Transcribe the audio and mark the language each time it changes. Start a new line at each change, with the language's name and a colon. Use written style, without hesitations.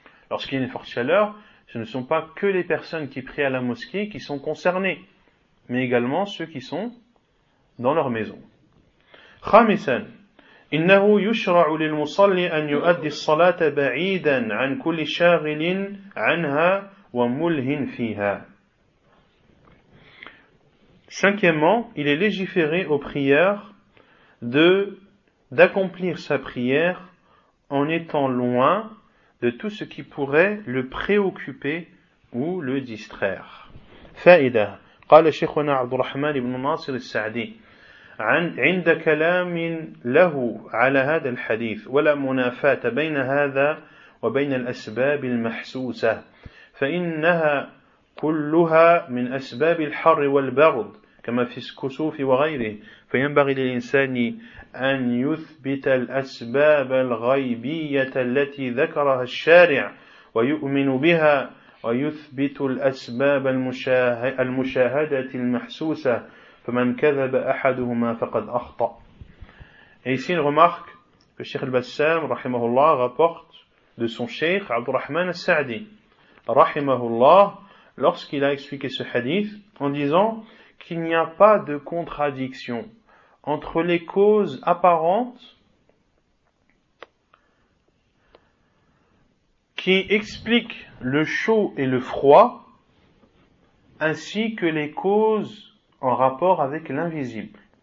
French: Lorsqu'il y a une forte chaleur, ce ne sont pas que les personnes qui prient à la mosquée qui sont concernées, mais également ceux qui sont dans leur maison.
Arabic: Khamisan, إنه يشرع للمصلي أن يؤدي الصلاة بعيدا عن كل شاغل عنها وملهن فيها.
French: Cinquièmement, il est légiféré au prieur d'accomplir sa prière en étant loin de tout ce qui pourrait le préoccuper ou le distraire.
Arabic: فائدة. قال شيخنا عبد الرحمن بن ناصر السعدي عند كلام له على هذا الحديث ولا منافاة بين هذا وبين الأسباب المحسوسة فإنها كلها من أسباب الحر والبرد كما في الكسوف وغيره فينبغي للإنسان أن يثبت الأسباب الغيبية التي ذكرها الشارع ويؤمن بها ويثبت الأسباب المشاهدة المحسوسة فَمَنْ كَذَبَ أَحَدُهُمَا فَقَدْ أَخْطَأ.
French: Et ici une remarque que Cheikh al-Bassam, rahimahullah, rapporte de son Cheikh Abdurrahman al-Sa'di, rahimahullah, lorsqu'il a expliqué ce hadith en disant qu'il n'y a pas de contradiction entre les causes apparentes qui expliquent le chaud et le froid ainsi que les causes en rapport avec l'invisible.